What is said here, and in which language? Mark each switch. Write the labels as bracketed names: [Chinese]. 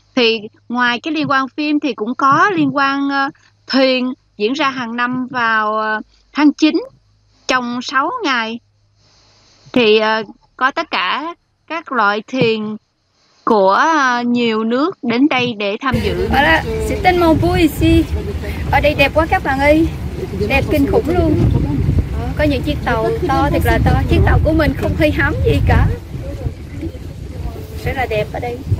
[Vietnamese] Thì ngoài cái liên quan phim thì cũng có liên quan thuyền diễn ra hàng năm vào tháng 9 trong 6 ngày. Thì có tất cả các loại thuyền của nhiều nước đến đây để tham dự. [French] Voilà, c'est tellement beau ici. [Vietnamese] Ở đây đẹp quá các bạn ơi. Đẹp kinh khủng luôn. Có những chiếc tàu to thiệt là to. Chiếc tàu của mình không hơi hám gì cả. Rất là đẹp ở đây.